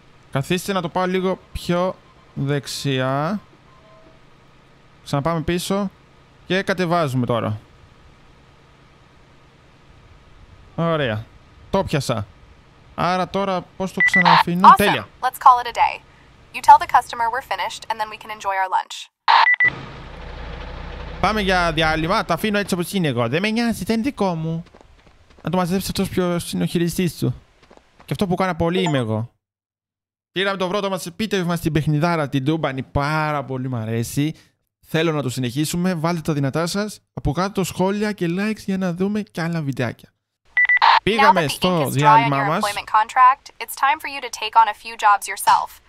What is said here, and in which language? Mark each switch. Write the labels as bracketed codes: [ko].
[el] Καθίστε να το πάω λίγο πιο δεξιά. Ξαναπάμε πίσω. Και κατεβάζουμε τώρα. Ωραία. Το πιάσα. Άρα τώρα πώς το ξαναφύγω. [en] Awesome. [el] Τέλεια. [en] Let's call it a day. You tell the customer we're finished and then we can enjoy our lunch. [el] Πάμε για διάλειμμα. Τα αφήνω έτσι όπως είναι εγώ. Δεν με νοιάζει, δεν είναι δικό μου. Να το μαζέψει αυτός ποιος είναι ο χειριστής του. Και αυτό που κάνω πολύ είμαι εγώ. Πήραμε το πρώτο μας επίτευγμα στην παιχνιδάρα, την Τούμπανη. Πάρα πολύ μου αρέσει. Θέλω να το συνεχίσουμε. Βάλτε τα δυνατά σας. Από κάτω σχόλια και likes για να δούμε και άλλα βιντεάκια. Πήγαμε στο διάλειμμα μας. [en] It's time for you to take on a few jobs yourself.